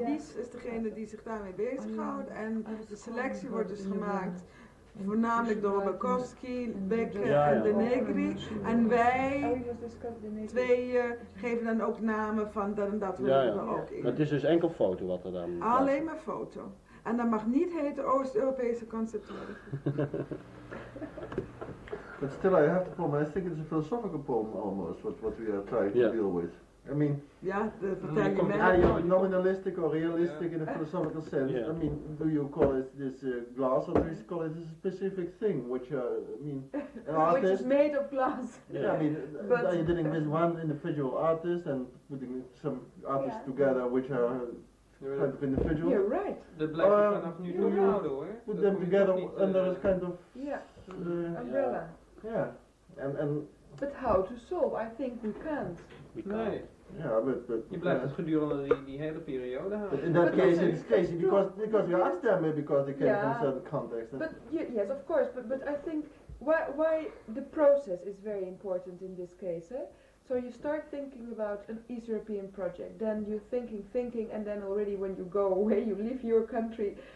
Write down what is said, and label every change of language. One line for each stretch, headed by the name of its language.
Dutch: Wies is degene die zich daarmee bezighoudt. En de selectie wordt dus gemaakt voornamelijk door Bakowski, Becker en De Negri. En wij twee geven dan ook namen van dat en dat. Ja, ja. We ook in. Het is dus enkel foto wat er dan. Alleen maar foto. En dat mag niet heten Oost-Europese conceptuele.
English: But still, I have the problem. I think it's a philosophical problem almost, what we are trying to deal with. I mean, are you nominalistic or realistic in a philosophical sense? Yeah. I mean, do you call it this glass, or do you call it a specific thing, which I mean, an which artist? Is made of glass. Yeah. I mean, are you dealing with one individual artist and putting some artists together, which are kind of individual? You're right. The black man of New York, right. Put them together under a kind of umbrella. And. But how to solve? I think we can't.
Dutch: Nee. Ja,
English: but
Dutch: je blijft het gedurende die hele periode houden.
English: In that case, it's crazy because you asked them because they came from certain context. But yes, of course. But I think why the process is very important in this case. Eh? So you start thinking about an East European project, then you're thinking, and then already when you go away, you leave your country.